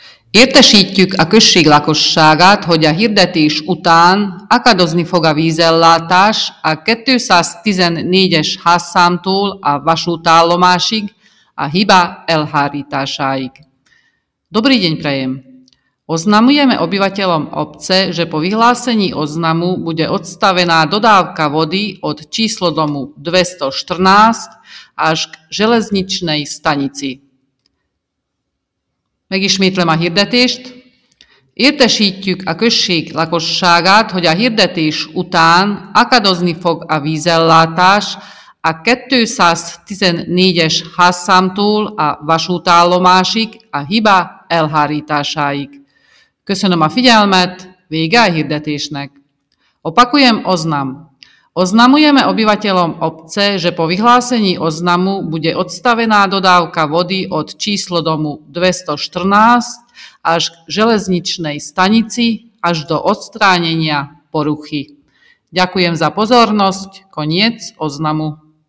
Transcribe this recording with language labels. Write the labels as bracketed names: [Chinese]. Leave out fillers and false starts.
[Hungarian] Értesítjük a község lakosságát, hogy a hirdetés után akadozni fog a vízellátás a 214-es házszámtól a vasútállomásig, a hiba elhárításáig. [Slovak] Dobrý deň prajem! Oznamujeme obyvateľom obce, že po vyhlásení oznamu bude odstavená dodávka vody od číslo domu 214 až k železničnej stanici. [Hungarian] Megismétlem a hirdetést. Értesítjük a község lakosságát, hogy a hirdetés után akadozni fog a vízellátás a 214-es házszámtól a vasútállomásig a hiba elhárításáig. Köszönöm a figyelmet, vége a hirdetésnek. [Slovak] Opakujem oznam. Oznamujeme obyvateľom obce, že po vyhlásení oznamu bude odstavená dodávka vody od číslo domu 214 až k železničnej stanici až do odstránenia poruchy. Ďakujem za pozornosť. Koniec oznamu.